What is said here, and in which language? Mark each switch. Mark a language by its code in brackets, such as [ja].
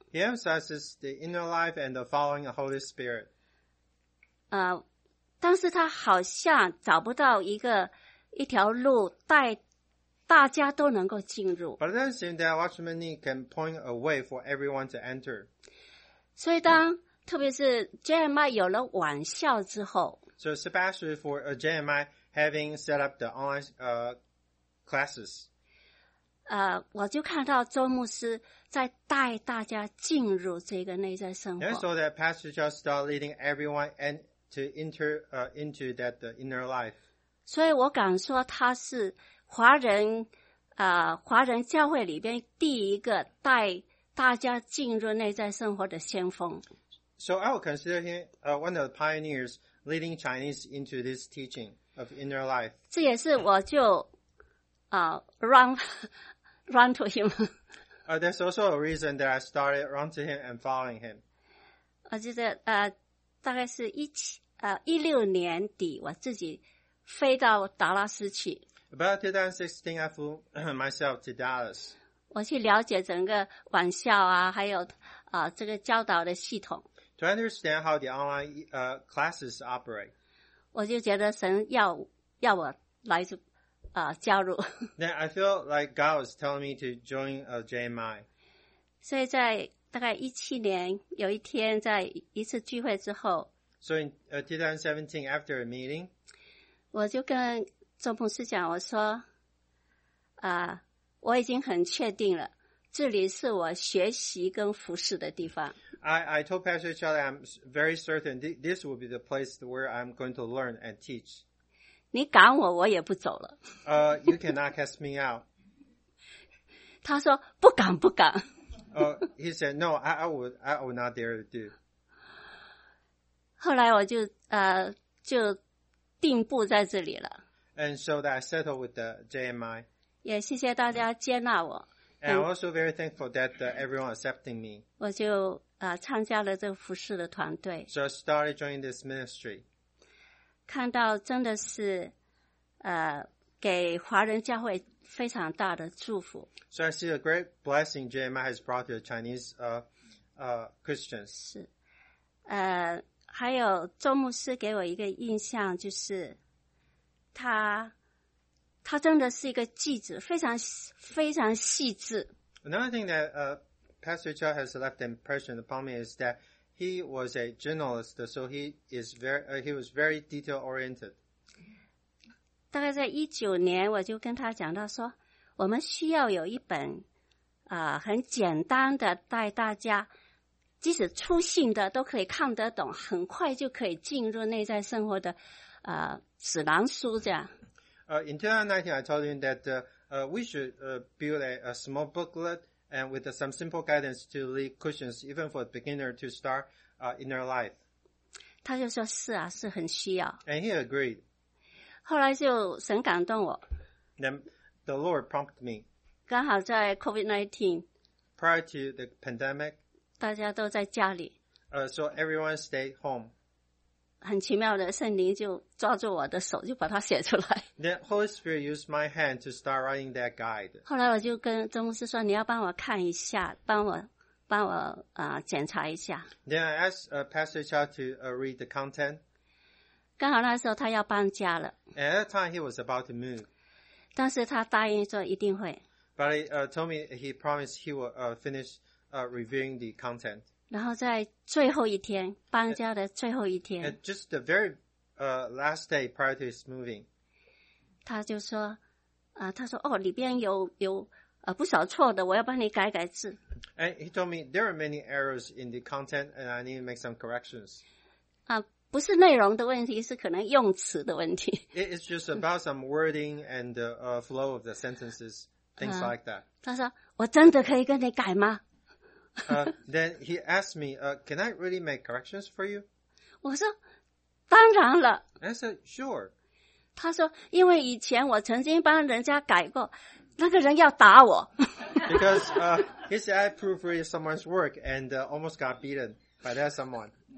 [en] He emphasizes the inner life and the following the Holy Spirit. [zh] 但是他好像找不到一条路带大家都能够进入。 [en] But it doesn't seem that Watchman Nee can point a way for everyone to enter. [zh] 所以当特别是 JMI 有了网校之后。 [en] So especially for a JMI having set up the online, classes. [zh] 我就看到周牧师在带大家进入这个内在生活。 [en] I saw that Pastor Charles started leading everyone and to enter into that inner life. [zh] 所以我敢说他是华人华人教会里边第一个带大家进入内在生活的先锋。 [en] So I would consider him one of the pioneers leading Chinese into this teaching of inner life. [zh] 这也是我就 [en] run to him. There's also a reason that I started run to him and following him. [zh] 我记得大概是2016年底，我自己飞到达拉斯去。 [en] About 2016, I flew myself to Dallas. [zh] 我去了解整个网校啊，还有这个教导的系统。 [en] To understand how the online classes operate. [zh] 我就觉得神要我来这。加入。 [en] Then I feel like God was telling me to join a JMI. [zh] 所以在大概17年有一天在一次聚会之后。 [en] So in 2017, after a meeting, [zh] 我就跟周牧师讲，我说我已经很确定了，这里是我学习跟服侍的地方。 [en] I told Pastor Charlie I'm very certain this will be the place where I'm going to learn and teach. [zh] 你赶我也不走了。 [en] You cannot cast me out. [zh] 他说不敢不敢。 [en] He said, no, I would not dare to do. [zh] 后来我就定步在这里了。 [en] And so that I settled with the JMI. [zh] 也谢谢大家接纳我。 [en] And I'm also very thankful that everyone accepting me. [zh] 我就参加了这个服事的团队。 So I started joining this ministry. 看到真的是给华人教会非常大的祝福。 [en] So I see a great blessing JMI has brought to the Chinese Christians. [zh] 是，还有周牧师给我一个印象，就是他真的是一个记者，非常非常细致。 [en] Another thing that Pastor Chao has left an impression upon me is that he was a journalist, so he is very he was very detail oriented. [zh] 大概在19年，我就跟他讲到说，我们需要有一本很简单的带大家。即使粗信的都可以看得懂，很快就可以进入内在生活的指南书这样。 [en] In 2019, I told him that we should build a small booklet and with some simple guidance to lead Christians, even for a beginner to start in their life. [zh] 他就说是啊，是很需要。 [en] And he agreed. [zh] 后来就神感动我。 [en] Then the Lord prompted me. [zh] 刚好在 COVID-19. [en] Prior to the pandemic, [zh] 大家都在家里。 [en] So everyone stayed home. [zh] 很奇妙的，圣灵就抓住我的手，就把它写出来。 [en] The Holy Spirit used my hand to start writing that guide. [zh] 后来我就跟周牧师说，你要帮我看一下，帮我检查一下。 [en] Then I asked Pastor Chao to read the content. [zh] 刚好那时候他要搬家了。 [en] And at that time he was about to move. [zh] 但是他答应说一定会。 [en] But he told me he promised he will finish. Reviewing the content. [zh] 然后在最后一天，搬家的最后一天。 [en] Just the very last day prior to his moving. [zh] 他就说，他说，哦，里边有不少错的，我要帮你改改字。 [en] And he told me there are many errors in the content, and I need to make some corrections. [zh] 不是内容的问题，是可能用词的问题。 [en] It's just about some wording and the flow of the sentences, things like that. [zh] 他说，我真的可以跟你改吗？ [en] then he asked me, can I really make corrections for you? [zh] 我说，当然了。 [en] I said, sure. [zh] 他说，因为以前我曾经帮人家改过，那个人要打我。 [en] Because he said I proofread someone's work and almost got beaten by that someone.